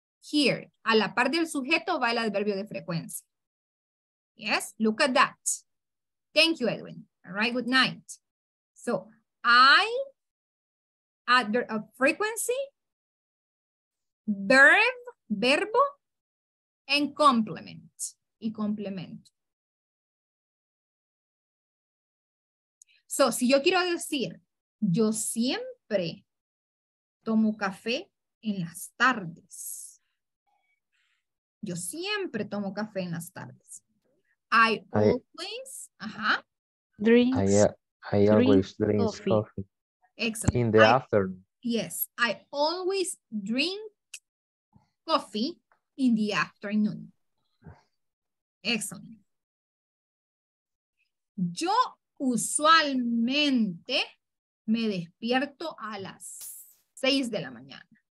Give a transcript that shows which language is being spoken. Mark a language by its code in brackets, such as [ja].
[es] Here, a la par del sujeto va el adverbio de frecuencia. [en] Yes, look at that. Thank you, Edwin. All right, good night. So, I, adverb of frequency, verb, verbo, and complement. [es] Y complemento. So, si yo quiero decir, yo siempre tomo café en las tardes. Yo siempre tomo café en las tardes. [en] I always drink coffee. Excellent. In the afternoon. Yes, I always drink coffee in the afternoon. Excellent. [es] Yo usualmente me despierto a las 6 de la mañana.